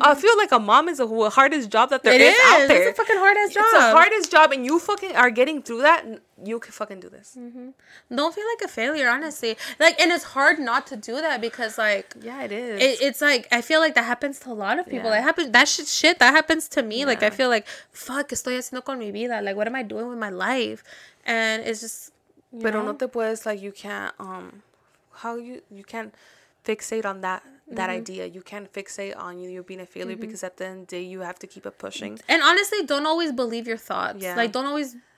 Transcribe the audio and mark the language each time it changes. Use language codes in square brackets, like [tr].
[en] I feel like a mom is the hardest job that there is out there. It's a fucking hardest job. It's the hardest job, and you fucking are getting through that. You could fucking do this. Mm-hmm. Don't feel like a failure, honestly. Like, and it's hard not to do that because, like... Yeah, it is. It's like, I feel like that happens to a lot of people. Yeah. That happens. That shit, that happens to me. Yeah. Like, I feel like, fuck, [es] estoy haciendo con mi vida. [en] Like, what am I doing with my life? And it's just... But [es] no te puedes, [en] like, you can't, how you can't fixate on that, that mm-hmm. idea. You can't fixate on you being a failure mm-hmm. because at the end of the day, you have to keep it pushing. And honestly, don't always believe your thoughts. Yeah. Like, don't always...